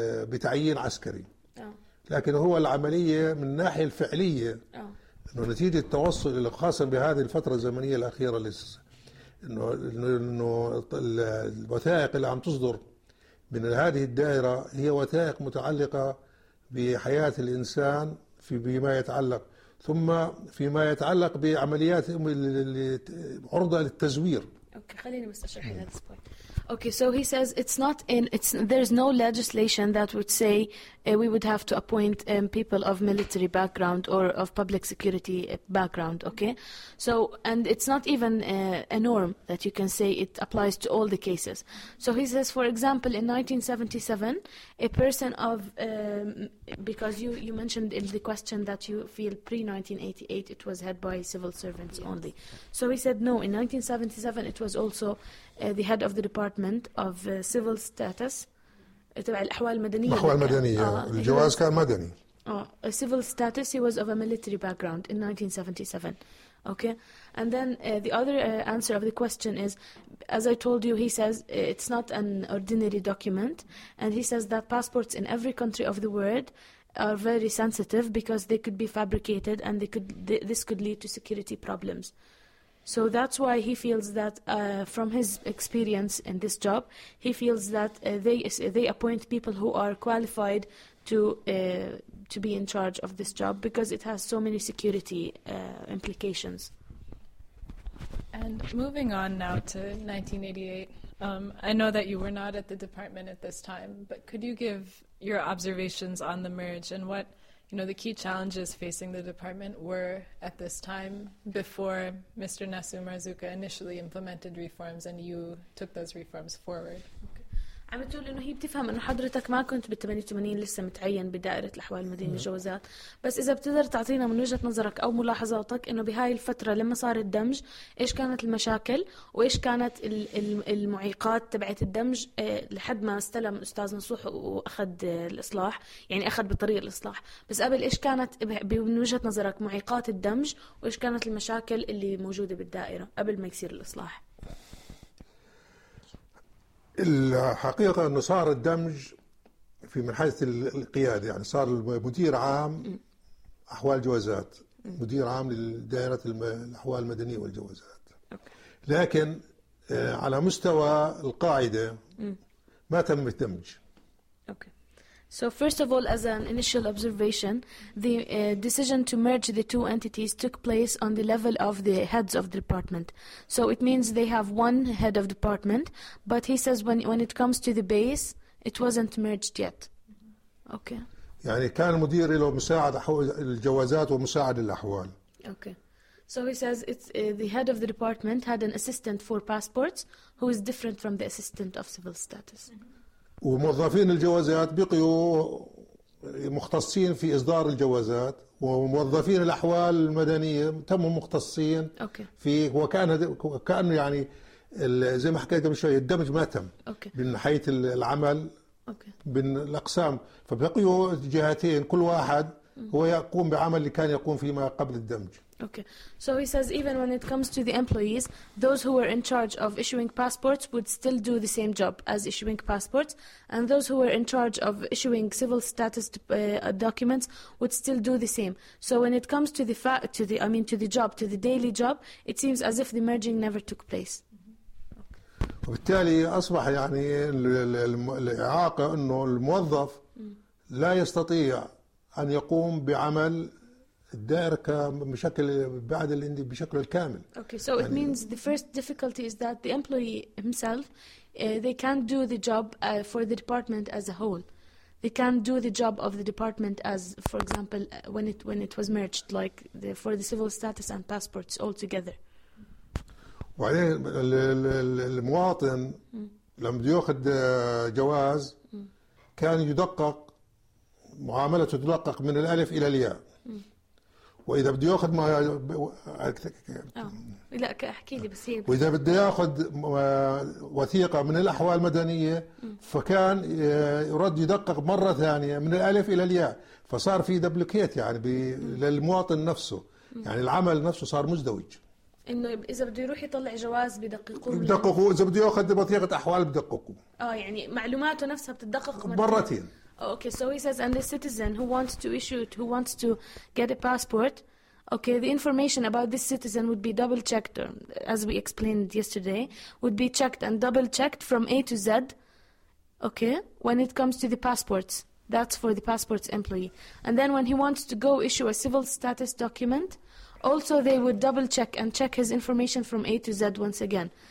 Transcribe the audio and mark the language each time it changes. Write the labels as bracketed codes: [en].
[ar] بتعيين عسكري لكن هو العمليه من الناحيه الفعليه انه نتيجه التوصل خاصه بهذه الفتره الزمنيه الاخيره انه الوثائق اللي عم تصدر من هذه الدائره هي وثائق متعلقه بحياه الانسان في بما يتعلق ثم فيما يتعلق بعمليات عرضة للتزوير. أوكي خليني بس أشرح هذا السؤال. [en] Okay, so he says it's not in it's there's no legislation that would say we would have to appoint people of military background or of public security background. Okay, so and it's not even a norm that you can say it applies to all the cases. So he says, for example, in 1977, a person of because you mentioned in the question that you feel pre 1988 it was head by civil servants only. So he said no. In 1977, it was also the head of the department of civil status [ar] تبع الأحوال المدنية الأحوال المدنية الجواز كان مدني [en] a civil status he was of a military background in 1977 okay and then the other answer of the question is as I told you he says it's not an ordinary document and he says that passports in every country of the world are very sensitive because they could be fabricated and they could this could lead to security problems. So that's why he feels that from his experience in this job, he feels that they appoint people who are qualified to be in charge of this job because it has so many security implications. And moving on now to 1988, I know that you were not at the department at this time, but could you give your observations on the merge and what, you know, the key challenges facing the department were at this time before Mr. Nasu Marzuka initially implemented reforms and you took those reforms forward. [ar] عم تقول إنه هي بتفهم إنه حضرتك ما كنت بال 88 لسه متعين بدائرة الأحوال المدنية الجوازات بس إذا بتقدر تعطينا من وجهة نظرك أو ملاحظاتك إنه بهاي الفترة لما صار الدمج إيش كانت المشاكل وإيش كانت المعيقات تبعت الدمج لحد ما استلم أستاذ نصوح وأخذ الإصلاح يعني أخذ بطريق الإصلاح بس قبل إيش كانت من وجهة نظرك معيقات الدمج وإيش كانت المشاكل اللي موجودة بالدائرة قبل ما يصير الإصلاح الحقيقة أنه صار الدمج في من حيث القيادة يعني صار مدير عام أحوال جوازات مدير عام لدائرة الأحوال المدنية والجوازات لكن على مستوى القاعدة ما تم الدمج. [en] So first of all, as an initial observation, the decision to merge the two entities took place on the level of the heads of the department. So it means they have one head of department, but he says when it comes to the base, it wasn't merged yet. Okay. [ar] يعني كان المدير له مساعد الجوازات ومساعد الأحوال. [en] Okay. So he says it's the head of the department had an assistant for passports who is different from the assistant of civil status. [ar] وموظفين الجوازات بقيوا مختصين في إصدار الجوازات وموظفين الأحوال المدنية تموا مختصين في وكان يعني زي ما حكيت من شوية الدمج ما تم من حيث العمل من الأقسام فبقيوا جهتين كل واحد هو يقوم بعمل اللي كان يقوم فيه ما قبل الدمج. [en] Okay, so he says even when it comes to the employees, those who were in charge of issuing passports would still do the same job as issuing passports, and those who were in charge of issuing civil status documents would still do the same. So when it comes to the to the daily job, it seems as if the merging never took place. [ar] وبالتالي أصبح يعني الإعاقة إنه الموظف لا يستطيع أن يقوم بعمل الدائرة بشكل بعد الاندي بشكل الكامل. [en] Okay, so it means the first difficulty is that the employee himself, they can't do the job for the department as a whole. They can't do the job of the department as, for example, when it was merged, like the, for the civil status and passports all together. [ar] وبعدين المواطن لما بده ياخذ جواز كان يدقق معاملته تدقق من الالف الى الياء واذا بده ياخذ ما لا احكي لي بس هيك واذا بده ياخذ وثيقه من الاحوال المدنيه فكان يرد يدقق مره ثانيه من الالف الى الياء فصار في دبلكيت يعني للمواطن نفسه يعني العمل نفسه صار مزدوج انه اذا بده يروح يطلع جواز بدققوا بدققوا اذا بده ياخذ بطاقه احوال بدققوا يعني معلوماته نفسها بتدقق مرتين [en] okay so he says and the citizen who wants to issue it who wants to get a passport okay the information about this citizen would be double checked or, as we explained yesterday would be checked and double checked from A to Z okay when it comes to the passports that's for the passports employee and then when he wants to go issue a civil status document Also, they would double check and check his information from A to Z once again.